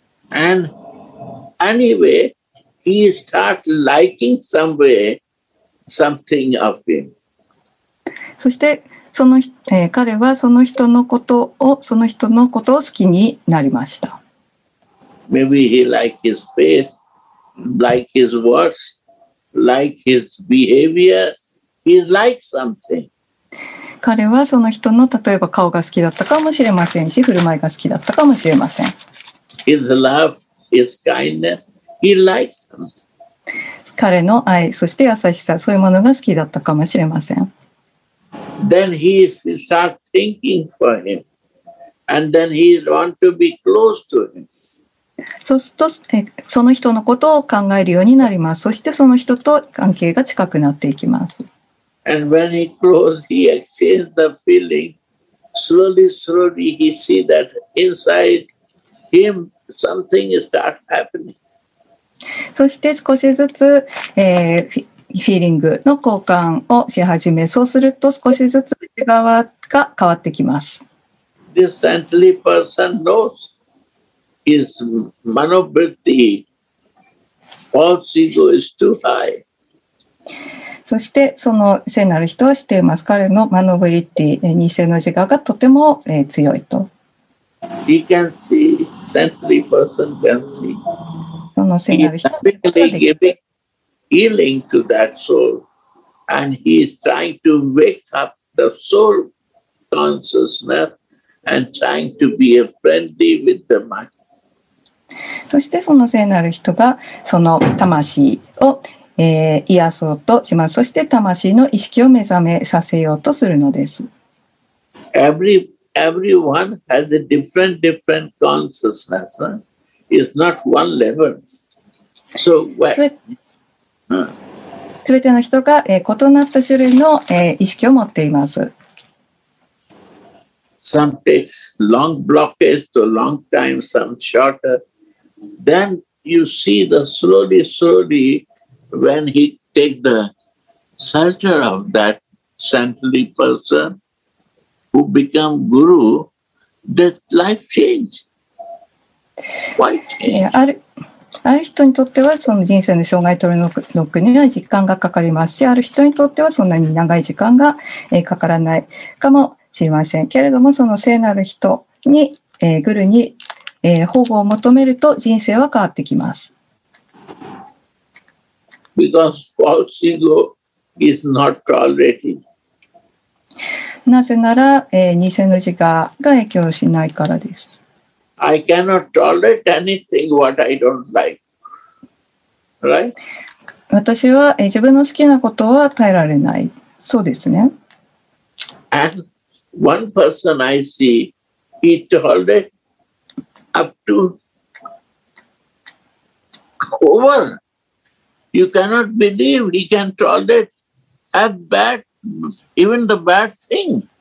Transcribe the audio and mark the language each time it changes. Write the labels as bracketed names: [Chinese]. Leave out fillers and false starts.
[English] And anyway, he start liking somewhere, something of him. [Japanese] そして、その彼はその人のことをその人のことを好きになりました。 [English] Maybe he like his face, like his words, like his behavior. He like something. [Japanese] 彼はその人の例えば顔が好きだったかもしれませんし、振る舞いが好きだったかもしれません。 [English] His love, his kindness, he likes something. [Japanese] 彼の愛そして優しさそういうものが好きだったかもしれません。 [English] Then he start thinking for him, and then he want to be close to him. [Japanese] そうすると、その人のことを考えるようになります。そしてその人と関係が近くなっていきます。 [English] And when he close, he exchange the feeling. Slowly, slowly, he see that inside him something start happening. [Japanese] そして少しずつ、フィーリングの交換をし始め、そうすると少しずつ内側が変わってきます。 [English] This saintly person knows his manobritti, false ego is too high. [Japanese] そしてその聖なる人は知っています。彼のマノブリッティ、偽の自我がとても強いと。 [English] He can see, saintly person can see. [Japanese] その聖なる人は知っています。 [English] Healing to that soul, and he is trying to wake up the soul consciousness and trying to be a friendly with the mind. [Japanese] そしてその聖なる人がその魂を、癒そうとします。そして魂の意識を目覚めさせようとするのです。 [English] Every everyone has a different consciousness. It's not one level. So [Japanese] すべての人が、異なった種類の、意識を持っています。 [English] Some takes long blockage to long time, some shorter. Then you see the slowly, when he takes the shelter of that saintly person who become guru, that life change. Why change? [Japanese] ある人にとってはその人生の障害を取り除くには時間がかかりますし、ある人にとってはそんなに長い時間がかからないかもしれませんけれども、その聖なる人に、グルに、保護を求めると人生は変わってきます。 [English] Because false ego is not tolerated. [Japanese] なぜなら、偽の自我が影響しないからです。 [English] I cannot tolerate anything what I don't like. Right? [Japanese] 私は自分の好きなことは耐えられない。そうですね。 [English] And one person I see, he tolerate up to over. You cannot believe he can tolerate a bad, even the bad thing.